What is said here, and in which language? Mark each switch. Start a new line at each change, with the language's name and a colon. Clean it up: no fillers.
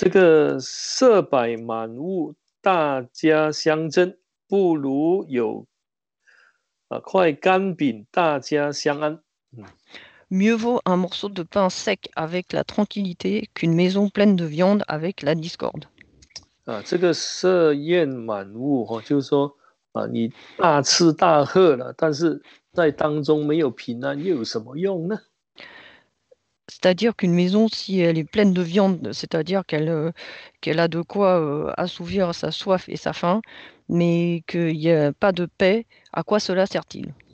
Chinese: 第一节，这里这样说，这个色百满物。大家相争，不如有快干饼，大家相安。
French: Mieux vaut un morceau de pain sec avec la tranquillité qu'une maison pleine de viande avec la discorde.
Chinese: 这个设宴满屋，就是说，你大吃大喝了，但是在当中没有平安，又有什么用呢？
French: C'est-à-dire qu'une maison, si elle est pleine de viande, c'est-à-dire qu'elle a de quoi assouvir sa soif et sa faim, mais qu'il n'y a pas de paix, à quoi cela sert-il?